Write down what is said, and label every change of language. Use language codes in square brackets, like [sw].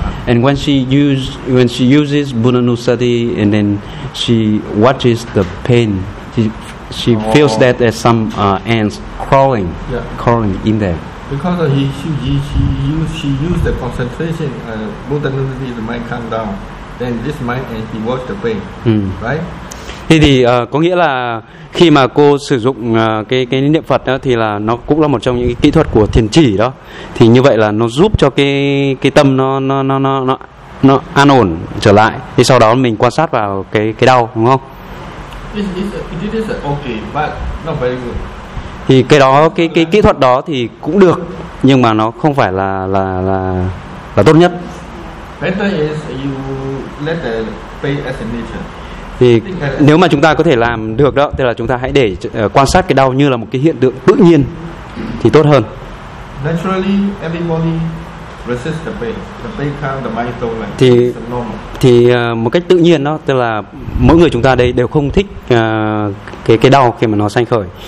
[en] And when she uses Buddhanusati, and then she watches the pain, she feels that there's some ants crawling, crawling in there. Because she used the concentration, Buddhanusati, the mind calm down. And this mind and he watched the pain, right? [vi] Thì có nghĩa là khi mà cô sử dụng cái niệm Phật đó, thì là nó cũng là một trong những kỹ thuật của thiền chỉ đó, thì như vậy là nó giúp cho cái tâm nó an ổn trở lại, thì sau đó mình quan sát vào cái đau, đúng không? [en] It is okay, but not very good. [vi] Thì cái đó cái kỹ thuật đó thì cũng được, nhưng mà nó không phải là tốt nhất. [en] Better is you let the pain as a nature. [vi] Thì nếu mà chúng ta có thể làm được đó, thì là chúng ta hãy để quan sát cái đau như là một cái hiện tượng tự nhiên thì tốt hơn. [en] Naturally everybody resists the pain. The pain comes, the mind don't like. [vi] Thì một cách tự nhiên đó, tức là mỗi người chúng ta đây đều không thích cái đau khi mà nó sanh khởi.